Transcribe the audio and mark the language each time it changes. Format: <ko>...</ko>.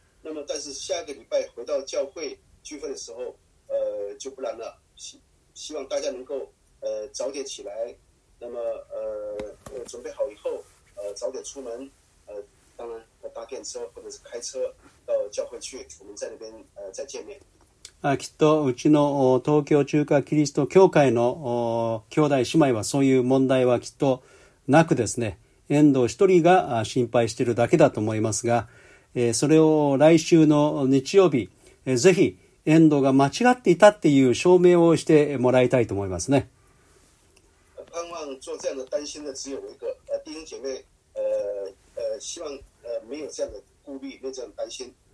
<zh>那么但是下个礼拜回到教会聚会的时候就不然了，希望大家能够早点起来，那么准备好以后早点出门，当然搭电车或者是开车到教会去，我们在那边再见面。</zh> <ja>きっとうちの東京中華キリスト教会の兄弟姉妹はそういう問題はきっとなくですね、遠藤一人が心配しているだけだと思いますが、それを来週の日曜日ぜひ遠藤が間違っていたっていう証明をしてもらいたいと思いますね。</ja> <zh>盼望做这样的担心的只有一个弟兄姐妹，希望没有这样的顾虑，没有这样的担心。</zh>